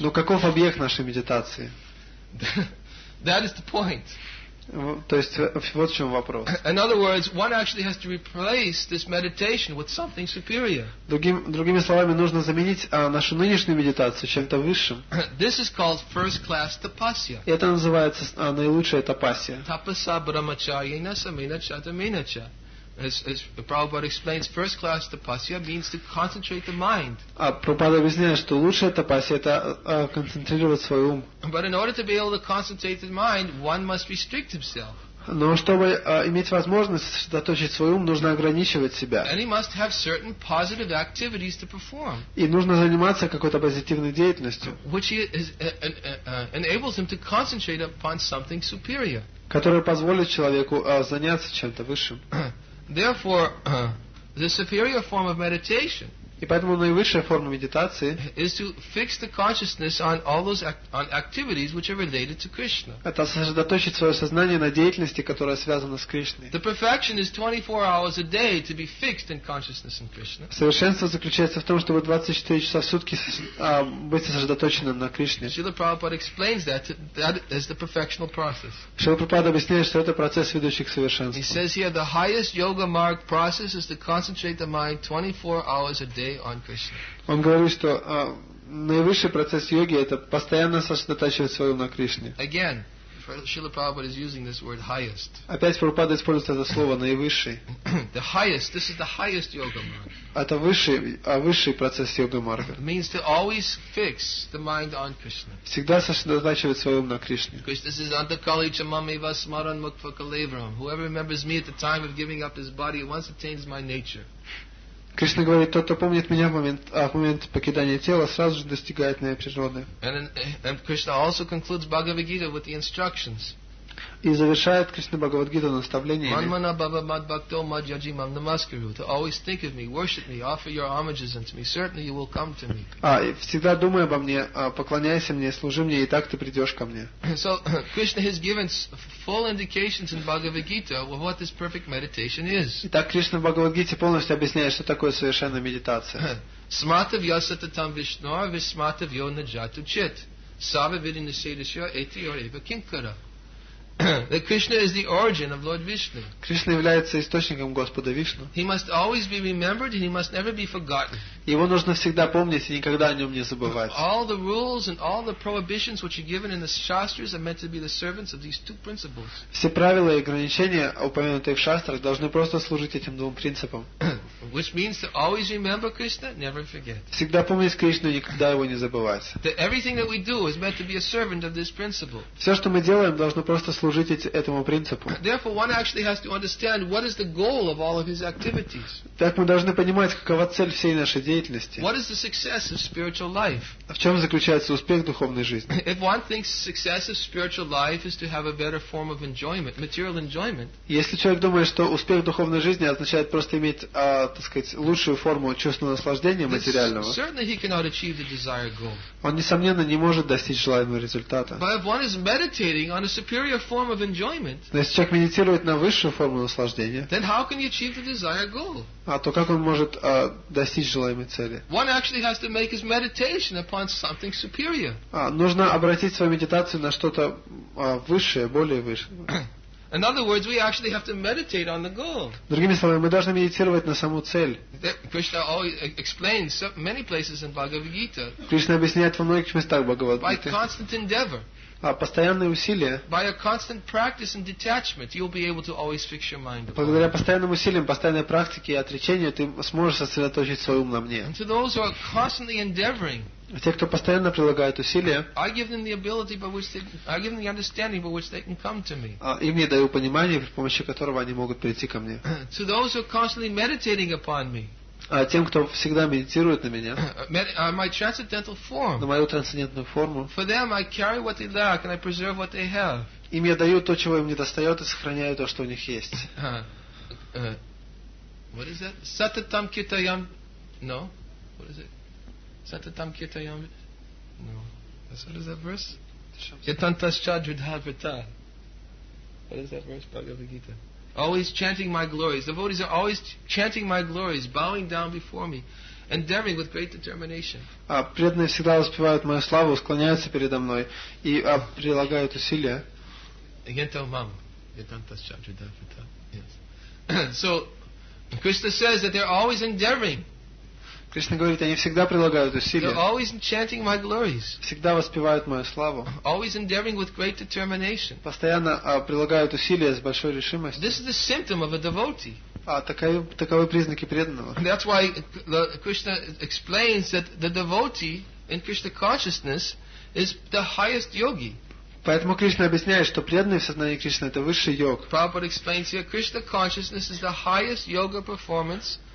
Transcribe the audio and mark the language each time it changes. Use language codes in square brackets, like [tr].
[ru] Но каков объект нашей медитации? [en] That is the point. [ru] То есть вот в чем вопрос. [en] In other words, one actually has to replace this meditation with something superior. [ru] Другими словами, нужно заменить нашу нынешнюю медитацию чем-то высшим. [en] This is called first class tapasya. [ru] Это называется наилучшая тапасья. [sa] Tapasa brahmacharyena saminacha taminacha. [en] As Prabhupada explains, first class tapasya means to concentrate the mind. [ru] А Прабхупада объясняет, что лучшая тапасья это концентрировать свой ум. [en] But in order to be able to concentrate the mind, one must restrict himself. [ru] Но чтобы иметь возможность сосредоточить свой ум, нужно ограничивать себя. [en] And he must have certain positive activities to perform. [ru] И нужно заниматься какой-то позитивной деятельностью. [en] Which enables him to concentrate upon something superior. [ru] Которая позволит человеку заняться чем-то высшим. [en] Therefore, the superior form of meditation. [ru] И поэтому наивысшая форма медитации. [en] Is to fix the consciousness on all those on activities which are related to Krishna. [ru] Это сосредоточить свое сознание на деятельности, которая связана с Кришной. [en] The perfection is 24 hours a day to be fixed in consciousness in Krishna. [ru] Совершенство заключается в том, чтобы 24 часа в сутки быть сосредоточенным на Кришне. [en] Srila Prabhupada explains that is the perfectional process. [ru] Srila Prabhupada объясняет, что это процесс, ведущий к совершенству. [en] He says here the highest yoga mark process is to concentrate the mind 24 hours a day. [ru] Он говорит, что наивысший процесс йоги это постоянно сосредотачивать свое на Кришне. [en] Again, Srila Prabhupada is using this word highest. [ru] Опять Прабхупада использует это слово наивысший. [en] The highest, this is the highest yoga marga. [ru] Это высший процесс йога марга. [en] Means to always fix the mind on Krishna. [ru] Всегда сосредотачивать свой ум на Кришне. [en] Because this is [sa] antakali chamami vasmaran mukva kalevram. [en] Whoever remembers me at the time of giving up his body once attains my nature. [ru] Кришна говорит, тот, кто помнит меня в момент покидания тела, сразу же достигает моей природы. [en] And Krishna also concludes Bhagavad Gita with the instructions. [ru] И завершает Кришна Бхагавад Гиту наставлениями. [sa] Манмана бхава мад бхакто мад яджи мам намаскару. [en] To always think of me, worship me, offer your homages unto me. Certainly you will come to me. [ru] А, всегда думай обо мне, поклоняйся мне, служи мне, и так ты придешь ко мне. [en] So, Krishna has given full indications in Bhagavad Gita of what this perfect meditation is. [ru] Итак, Кришна в Бхагавад Гите полностью объясняет, что такое совершенная медитация. [sa] Сматавья сататам вишнуа висматавья наджату чит. Сава види нисидасья этиор эва кинкара. [en] That Krishna is the origin of Lord Vishnu. [ru] Кришна является источником Господа Вишну. [en] He must always be remembered and he must never be forgotten. [ru] Его нужно всегда помнить и никогда о нем не забывать. [en] All the rules and all the prohibitions which are given in the shastras are meant to be the servants of these two principles. [ru] Все правила и ограничения, упомянутые в шастрах, должны просто служить этим двум принципам. [en] Which means to always remember Krishna, never forget. [ru] Всегда помнить Кришну и никогда его не забывать. [en] That everything that we do is meant to be a servant of this principle. [ru] Все, что мы делаем, должно просто служить этому принципу. [en] Therefore, one actually has to understand what is the goal of all of his activities. [ru] Так мы должны понимать, какова цель всей нашей деятельности. [en] What is the success of spiritual life? [ru] В чем заключается успех духовной жизни? [en] If one thinks success of spiritual life is to have a better form of enjoyment, material enjoyment. [ru] Если человек думает, что успех духовной жизни означает просто иметь, так сказать, лучшую форму чувственного наслаждения материального. [en] Certainly he cannot achieve the desired goal. [ru] Он несомненно не может достичь желаемого результата. [en] But if one is meditating on a superior form of enjoyment. [ru] Но если человек медитирует на высшую форму наслаждения. [en] Then how can he achieve the desired goal? [ru] А то как он может достичь желаемой цели? [en] One actually has to make his meditation upon something superior. [ru] Нужно обратить свою медитацию на что-то высшее, более высшее. [en] In other words, we actually have to meditate on the goal. [ru] Другими словами, мы должны медитировать на саму цель. [en] Krishna always explains many places in Bhagavad Gita. [ru] Кришна объясняет во многих местах Бхагавад Гиты. [en] By constant endeavor. [ru] Постоянные усилия. [en] By a constant practice and detachment, you'll be able to always fix your mind. [ru] Благодаря постоянным усилиям, постоянной практике и отречению, ты сможешь сосредоточить свой ум на мне. [en] And to those who are constantly endeavoring. [ru] Те, кто постоянно прилагают усилия, [en] I give them the understanding by which they can come to me. [ru] Им я даю понимание, при помощи которого они могут прийти ко мне. [en] To those who are constantly meditating upon me. [ru] Тем, кто всегда медитирует на меня, [en] my transcendental form. [ru] На мою трансцендентную форму. [en] For them I carry what they lack and I preserve what they have. [ru] Им я даю то, чего им не достает, и сохраняю то, что у них есть. [en] What is that? [sa] Сататам китаям. [en] No? What is it? [sa] Сататам китаям. [en] No. What is that verse? [sa] Ятантасча джудхавита. [en] What is that verse? Bhagavad Gita. Always chanting my glories. Devotees are always chanting my glories, bowing down before me, endeavoring with great determination. [ru] Преданные всегда воспевают мою славу, склоняются передо мной и прилагают усилия. [sa] Ягентамам. Ятантасча джудхавита. [en] Yes. So, Krishna says that they're always endeavoring. [ru] Кришна говорит, они всегда прилагают усилия. [en] They're always chanting my glories. [ru] Всегда воспевают мою славу. [en] Always endeavoring with great determination. [ru] Постоянно прилагают усилия с большой решимостью. [en] This is the symptom of a devotee. [ru] Таковы признаки преданного. [en] And that's why Krishna explains that the devotee in Krishna consciousness is the highest yogi. [ru] Поэтому Кришна объясняет, что преданный в сознании Кришны это высший йог. [en] Prabhupada explains here, Krishna consciousness is the highest yoga performance.